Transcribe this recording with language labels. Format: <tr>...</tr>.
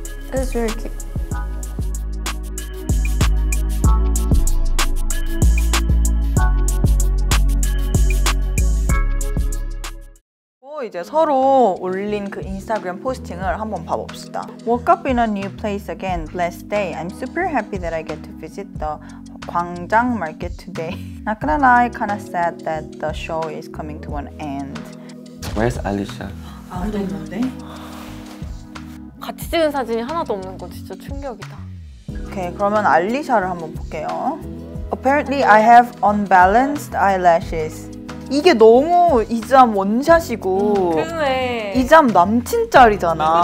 <en>This is very cute.</en> <ko>Oh, 이제 서로 올린 그 인스타그램 포스팅을 한번 봐봅시다.</ko> <en>Woke up in a new place again. Blessed day. I'm super happy that I get to visit the 광장 market today. Not gonna lie, kind of sad that the show is coming to an end. Where's Alicia?</en> <ko>아무도 있는데? 같이 찍은 사진이 하나도 없는 건 진짜 충격이다. 오케이, 그러면 알리샤를 한번 볼게요.</ko> <en>Apparently I have unbalanced eyelashes.</en> <ko>이게 너무 이잠 원샷이고 그래. 이잠 남친짤이잖아.</ko>